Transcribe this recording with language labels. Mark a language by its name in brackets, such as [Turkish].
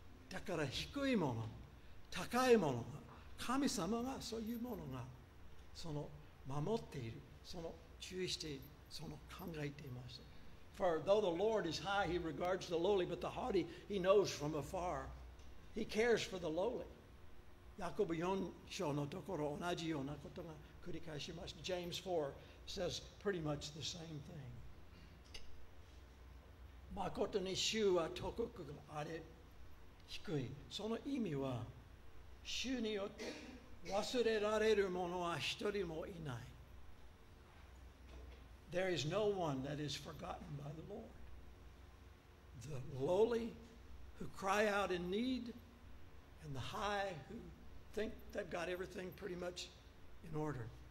[Japanese] だから低い者、高い者が、神様がそういう者がその守っている、その注意している、その考えています。 [English] For though the Lord is high, he regards the lowly, but the haughty he knows from afar. He cares for the lowly. [Japanese] ヤコブ4章のところ同じようなことが繰り返します。 [English] James 4 says pretty much the same thing. [Japanese] まことに主は高くあれ低い。その意味は主によって忘れられるものは一人もいない。 [English] There is no one that is forgotten by the Lord. The lowly who cry out in need and the high whothink they've got everything pretty much in order.